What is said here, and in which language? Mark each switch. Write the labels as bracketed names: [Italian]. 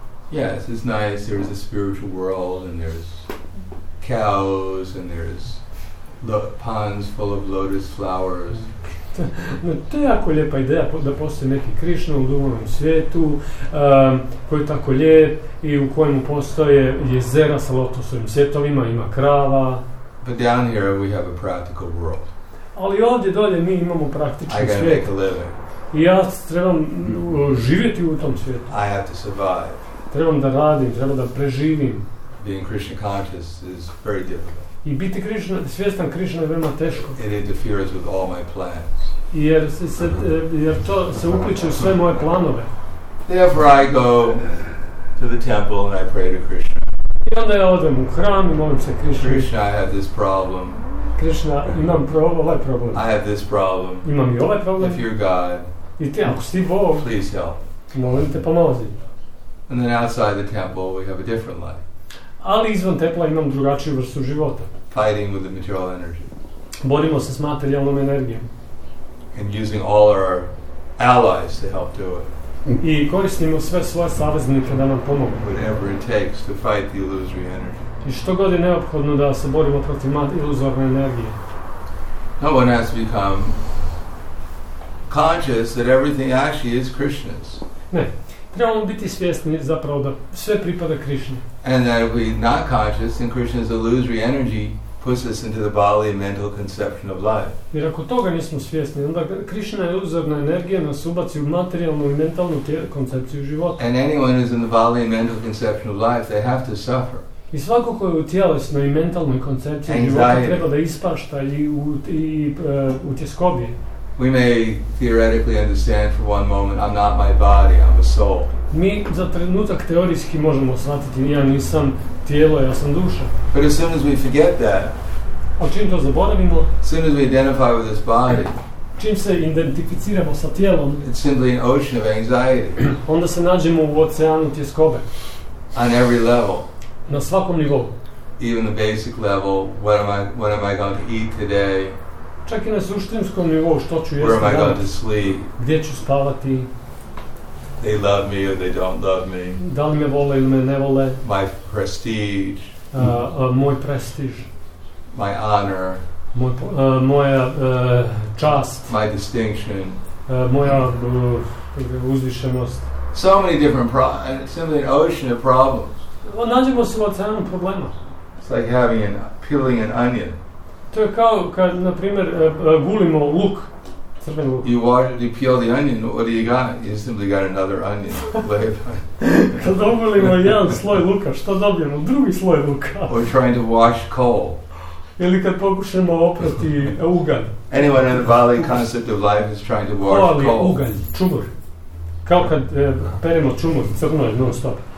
[English] Yes, it's nice, there's a spiritual world, and there's cows, and there's ponds full of lotus flowers. [Bosnian] To je jako lijepa ideja da postoji neki Krishna u duhovnom svijetu, koji je tako lijep i u kojemu postoje jezera sa lotosovim svjetovima, ima krava. [English] But down here we have a practical world. [Bosnian] Ali ovdje dolje mi imamo praktični svijet. [English] I gotta make a living. [Bosnian] I ja trebam živjeti u tom svijetu. [English] I have to survive. [Bosnian] Trebam da radim, trebam da preživim. [English] Being Krishna conscious is very difficult. [Bosnian] I biti Krishna, svjestan Krishna je veoma teško. [English] It interferes with all my plans. [Bosnian] Jer to se upliče u sve moje planove. [English] Therefore I go to the temple and I pray to Krishna. [Bosnian] I onda ja odem u hram i molim se Krishna. [English] Krishna, I have this problem. [Bosnian] Krishna, imam ovaj problem. [English] I have this problem. [Bosnian] Imam i ovaj problem. [English] If you're God, [Bosnian] i ti, ako si Bog, [English] please help. [Bosnian] Molim te, pomozi. [English] And then outside the temple we have a different life. [Bosnian] Ali izvan templa imam drugačiju vrstu života. [English] Fighting with the material energy. [Bosnian] Borimo se s materijalnom energijom. [English] And using all our allies to help do it. [Bosnian] I koristimo sve svoje saveznike da nam pomogu. [English] Whatever it takes to fight the illusory energy. [Bosnian] I što god je neophodno da se borimo protiv iluzorne energije. [English] No one has to become conscious that everything actually is Krishna's. [Bosnian] Ne. Trebamo biti svjesni zapravo da sve pripada Krishna. [English] And that if we're not conscious, then Krishna's illusory energy puts us into the bodily mental conception of life. [Bosnian] Jer ako toga nismo svjesni, onda Krishna je iluzorna energija nas ubaci u materijalnu i mentalnu koncepciju života. [English] And anyone who's in the bodily and mental conception of life, they have to suffer. [Bosnian] I svako ko je u tjelesnoj i mentalnoj koncepciji života treba da ispašta i u tjeskobi. [English] We may theoretically understand for one moment, I'm not my body, I'm a soul. [Bosnian] Mi za trenutak teorijski možemo shvatiti, ja nisam tijelo, ja sam duša. [English] But as soon as we forget that, [Bosnian] čim to zaboravimo, [English] soon as we identify with this body, [Bosnian] čim se identificiramo sa tijelom, [English] it's simply an ocean of anxiety. [Bosnian] Onda se nađemo u oceanu tjeskobe. [English] On every level. [Bosnian] Na svakom nivou. [English] Even the basic level, what am I going to eat today? [Bosnian] Čak i na suštinskom nivou, što ću jesti, [English] where am I going to sleep? [Bosnian] Gdje ću spavati? [English] They love me or they don't love me. [Bosnian] Da li me vole ili me ne vole? [English] My prestige. [Bosnian] Moj prestiž. [English] My honor. [Bosnian] Moja čast. [English] My distinction. [Bosnian] Moja uzvišenost. [English] So many different problems. So many ocean of problems. [Bosnian] Nađemo se u oceanu problema. [English] It's like having an peeling an onion. [Bosnian] To je kao kad, na primjer, gulimo luk, crveni luk. [English] You peel the onion, what do you got? You simply got another onion. [Bosnian] Kad ogulimo jedan sloj luka, što dobijemo? Drugi sloj luka. [English] Or trying to wash coal. [Bosnian] Ili kad pokušamo oprati ugalj. [English] Anyone in the Bali concept of life is trying to wash coal. [Bosnian] Ali ugalj, čumur. Kao kad peremo čumur, crno je, non stop.